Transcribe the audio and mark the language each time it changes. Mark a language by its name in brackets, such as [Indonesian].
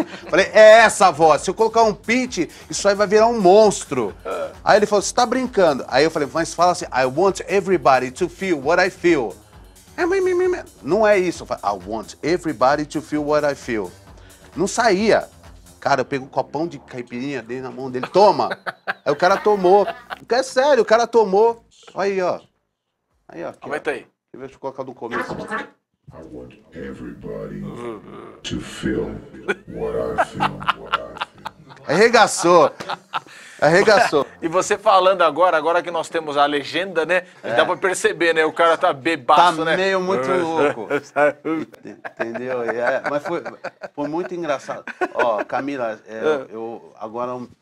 [Portuguese] Falei, é essa voz. Se eu colocar um pitch, isso aí vai virar um monstro. Aí ele falou, você tá brincando. Aí eu falei, mas fala assim, [English] I want everybody to feel what I feel. [Portuguese] Não é isso. Eu falei, [English] I want everybody to feel what I feel. [Portuguese] Não saía. Cara, eu pego um copão de caipirinha, dei na mão dele, toma. Aí o cara tomou. É sério, o cara tomou. Olha aí, ó. Aí, ó. Aqui, aumenta ó. Aí. Deixa eu colocar do começo. [English] I want everybody to feel what I feel. [Portuguese] Arregaçou. Arregaçou. E você falando agora, agora que nós temos a legenda, né? É. Dá pra perceber, né? O cara tá bebaço, né? Tá meio muito louco. Entendeu? É, mas foi muito engraçado. Ó, Camila, eu agora...